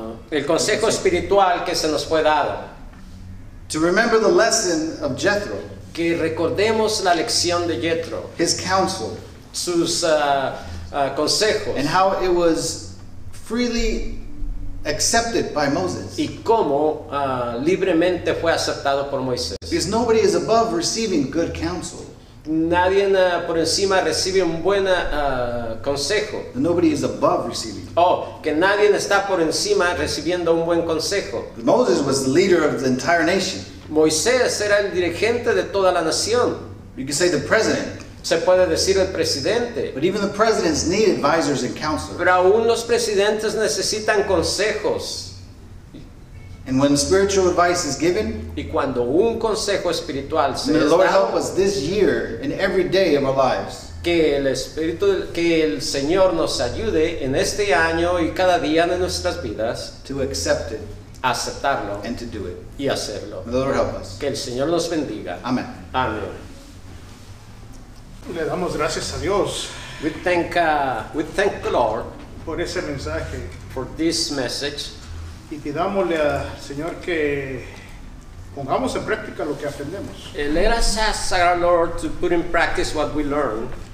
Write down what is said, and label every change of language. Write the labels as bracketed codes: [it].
[es] El consejo espiritual que se nos fue dado. [en] To remember the lesson of Jethro. [es] Que recordemos la lección de Jethro. [en] His counsel. [es] Sus consejos. [en] And how it was freely accepted by Moses. [es] Y cómo libremente fue aceptado por Moisés. [en] Because nobody is above receiving good counsel. [es] Nadie por encima recibe un buen consejo. [en] Nobody is above receiving. [es] Oh, que nadie está por encima recibiendo un buen consejo. [en] Moses was the leader of the entire nation. [es] Moisés era el dirigente de toda la nación. [en] You can say the president. [es] Se puede decir el presidente. [en] But even the presidents need advisors and counselors. [es] Pero aún los presidentes necesitan consejos. [en] And when spiritual advice is given, [es] y cuando un consejo espiritual se [en] may the Lord [es] dado, [en] help us this year and every day of our lives. [es] Que el Señor nos ayude en este año y cada día de nuestras vidas. [en] To accept it. [es] Aceptarlo. [en] And to do it. [es] Y hacerlo. [en] May the Lord help us. [es] Que el Señor nos bendiga. [en] Amen. [es] Amén. Le damos gracias a Dios. [en] We thank the Lord [es] por ese mensaje. [en] For this message. [es] Y pidámosle al Señor que pongamos en práctica lo que aprendemos. [en] Let us ask our Lord to put in practice what we learn.